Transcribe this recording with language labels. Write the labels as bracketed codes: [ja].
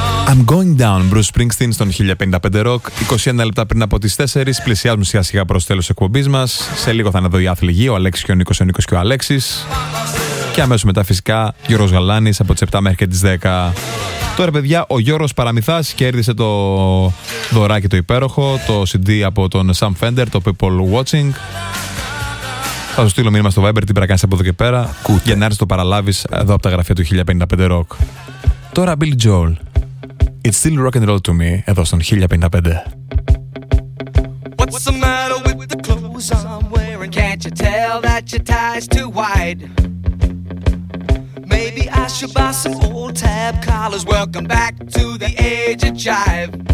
[el] I'm going down, Bruce Springsteen στον 1055 Rock. 21 λεπτά πριν από τις 4, πλησιάζουμε σιγά σιγά προς τέλος εκπομπής μας. Σε λίγο θα είναι εδώ οι άθλοι γη, ο Αλέξης και ο Νίκος, ο Νίκος και ο Αλέξης. Και αμέσως μετά φυσικά Γιώργος Γαλάνης από τις 7 μέχρι και τις 10. Τώρα παιδιά, ο Γιώργος Παραμυθάς κέρδισε το δωράκι το υπέροχο, το CD από τον Sam Fender, το People Watching. Θα σου στείλω μήνυμα στο Viber τι πρέπει να κάνεις από εδώ και πέρα. Κούτε. Για να έρθεις το παραλάβεις εδώ από τα γραφεία του 1055 Rock. Τώρα Billy Joel. [en] It's still rock and roll to me [el] εδώ στον 1055. [en] What's the matter with the clothes I'm wearing? Can't you tell that your tie's too wide? Maybe I should buy some old tab collars. Welcome back to the age of jive.